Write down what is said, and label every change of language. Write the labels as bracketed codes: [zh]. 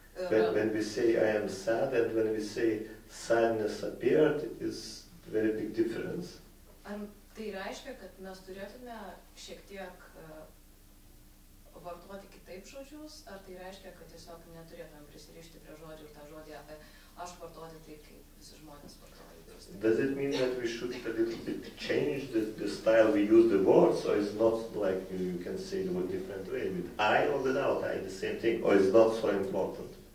[en] When we say I am sad and when we say sadness appeared, is very big difference. [lt] Ar tai reiškia, kad mes turėtume šiek tiek vartoti kitaip žodžius, ar tai reiškia, kad tiesiog neturėtumėm prisirišti prie žodžių ir tą žodį apie aš vartoti taip, kaip visi žmonės vartoja. [en] Does it mean that we should a little bit change the style we use the word, so it's not like you can say it in a different way, with I or without I, the same thing, or it's not so important?